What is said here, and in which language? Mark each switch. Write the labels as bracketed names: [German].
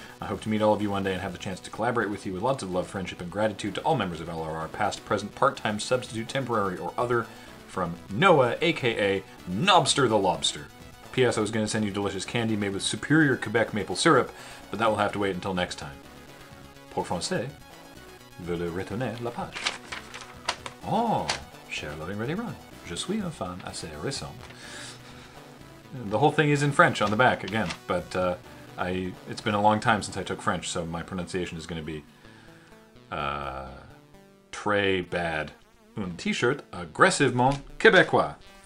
[English] I hope to meet all of you one day and have the chance to collaborate with you with lots of love, friendship, and gratitude to all members of LRR, past, present, part-time, substitute, temporary, or other, from Noah, a.k.a. Nobster the Lobster. P.S. I was going to send you delicious candy made with superior Quebec maple syrup, but that will have to wait until next time. [French] Pour français, veux le retourner la page. Oh, cher Loading Ready Run, je suis un fan assez récent. [English] The whole thing is in French on the back, again, but it's been a long time since I took French, so my pronunciation is going to be très bad. [French] Un t-shirt aggressivement Québécois.